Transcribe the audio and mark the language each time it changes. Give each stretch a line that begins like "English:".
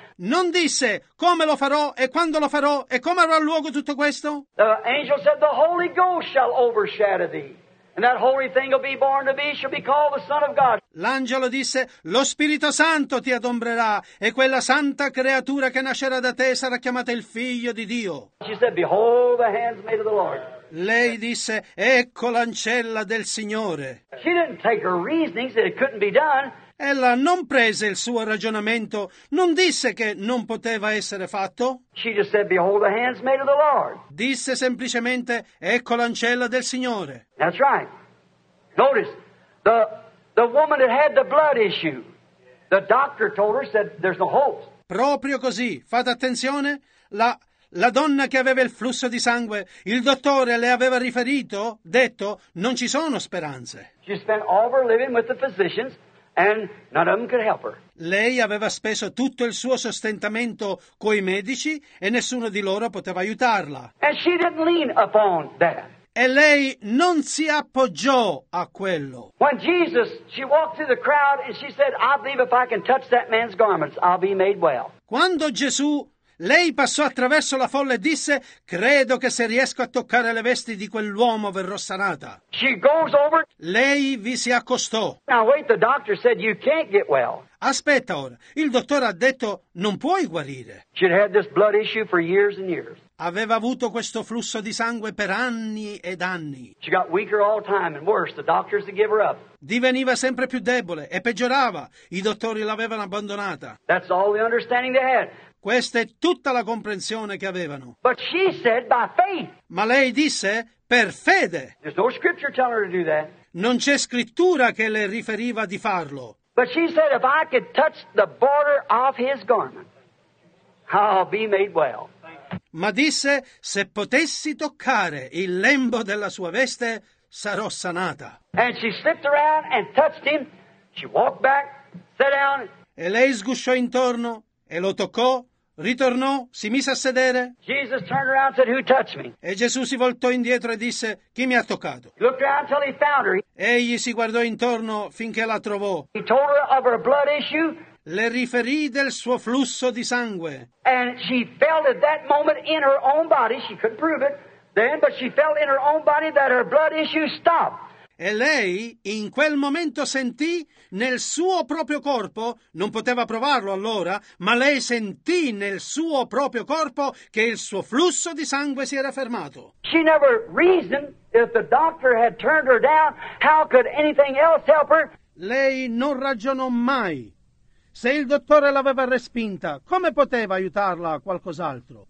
Italian: Non disse, come lo farò, e quando lo farò, e come avrà luogo tutto questo?
English: The angel said, the Holy Ghost shall overshadow thee, and that holy thing will be born to be, shall be called the Son of God.
Italian: L'angelo disse, lo Spirito Santo ti adombrerà, e quella santa creatura che nascerà da te sarà chiamata il Figlio di Dio.
English: She said, behold the handmaid of the Lord.
Italian: Lei disse, ecco l'ancella del Signore.
English: She didn't take her reasonings that it couldn't be done.
Italian: Ella non prese il suo ragionamento, non disse che non poteva essere fatto.
English: She just said, behold the handmaid of the Lord.
Italian: Disse semplicemente, ecco l'ancella del Signore.
English: That's right. Notice, the woman that had the blood issue, the doctor told her, said, there's no hope.
Italian: Proprio così, fate attenzione, la donna che aveva il flusso di sangue, il dottore le aveva riferito, detto, non ci sono speranze.
English: She spent all her living with the physicians, and none of them could help her.
Italian: Lei aveva speso tutto il suo sostentamento coi medici e nessuno di loro poteva aiutarla.
English: And she didn't lean upon that.
Italian: E lei non si appoggiò a quello.
English: When Jesus, she walked through the crowd and she said, I believe if I can touch that man's garments, I'll be made well.
Italian: Quando Gesù, lei passò attraverso la folla e disse, credo che se riesco a toccare le vesti di quell'uomo verrò sanata.
English: She goes over.
Italian: Lei vi si accostò.
English: Now wait, the doctor said you can't get well.
Italian: Aspetta ora, il dottore ha detto, non puoi guarire.
English: She'd had this blood issue for years and years.
Italian: Aveva avuto questo flusso di sangue per anni ed anni.
English: She got weaker all the time and worse, the doctors had given her up.
Italian: Diveniva sempre più debole e peggiorava, i dottori l'avevano abbandonata.
English: That's all the understanding they had.
Italian: Questa è tutta la comprensione che avevano.
English: But she said by faith.
Italian: Ma lei disse per fede.
English: There's no scripture telling her to do that.
Italian: Non c'è scrittura che le riferiva di farlo.
English: But she said if I could touch the border of his garment, I'll be made well.
Italian: Ma disse, se potessi toccare il lembo della sua veste, sarò sanata.
English: And she slipped around and touched him. She walked back, sat down.
Italian: E lei sgusciò intorno e lo toccò, ritornò, si mise a sedere.
English: Jesus turned around and said, "Who touched me?"
Italian: E Gesù si voltò indietro e disse, "Chi mi ha toccato?"
English: He looked around till he found her.
Italian: Egli si guardò intorno finché la trovò.
English: He told her of her blood issue.
Italian: Le riferì del suo flusso di sangue.
English: And she felt at that moment in her own body, she couldn't prove it then, but she felt in her own body that her blood issue stopped.
Italian: E lei in quel momento sentì nel suo proprio corpo, non poteva provarlo allora, ma lei sentì nel suo proprio corpo che il suo flusso di sangue si era fermato.
English: She never reasoned if the doctor had turned her down, how could anything else help her?
Italian: Lei non ragionò mai. Se il dottore l'aveva respinta, come poteva aiutarla a qualcos'altro?